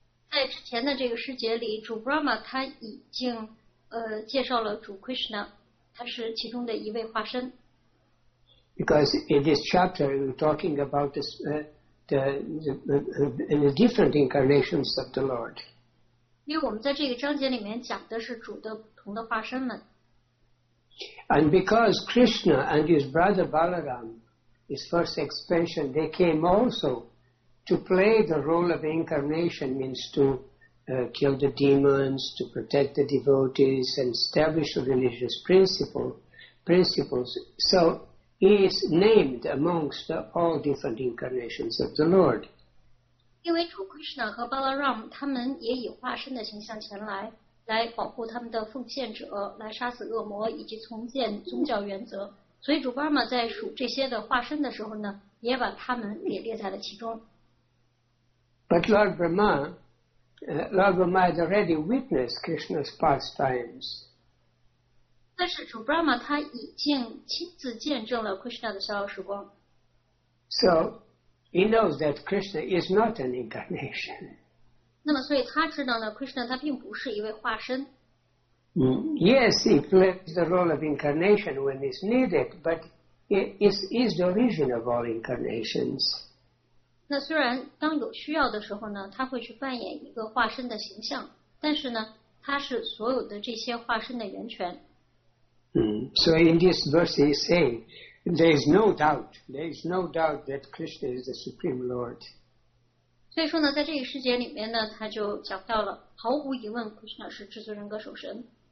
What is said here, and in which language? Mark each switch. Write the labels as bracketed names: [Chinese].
[Chinese] 在之前的这个世界里，主 Brahma 他已经介绍了主 Krishna， 他是其中的一位化身。 [English] Because in this chapter we're talking about this, the different incarnations of the Lord. [Chinese] 因为我们在这个章节里面讲的是主的不同的化身们。 [English] And because Krishna and his brother Balaram. His first expansion, they came also to play the role of incarnation, means to kill the demons, to protect the devotees, and establish religious principles. So he is named amongst all different incarnations of the Lord. Because Lord Krishna and Balaram, they also took the form of a human to protect their devotees, to kill the demons, and to rebuild the religious principles. [Chinese] 所以主巴玛在数这些的化身的时候呢，也把他们也列在了其中。 [English] But Lord Brahma, Lord Brahma has already witnessed Krishna's pastimes. [Chinese] 但是主 Brahma 他已经亲自见证了 Krishna 的逍遥时光。 [English] So he knows that Krishna is not an incarnation. [Chinese] 那么所以他知道呢 ，Krishna 他并不是一位化身。 [English] Yes, he plays the role of incarnation when it's needed, but it is the origin of all incarnations. [Chinese] 那虽然当有需要的时候呢，他会去扮演一个化身的形象，但是呢，他是所有的这些化身的源泉。 [English] So in this verse he is saying, there is no doubt that Krishna is the Supreme Lord. [Chinese] 所以说呢，在这一世界里面呢，他就讲到了，毫无疑问 ，Krishna 是至尊人格首神。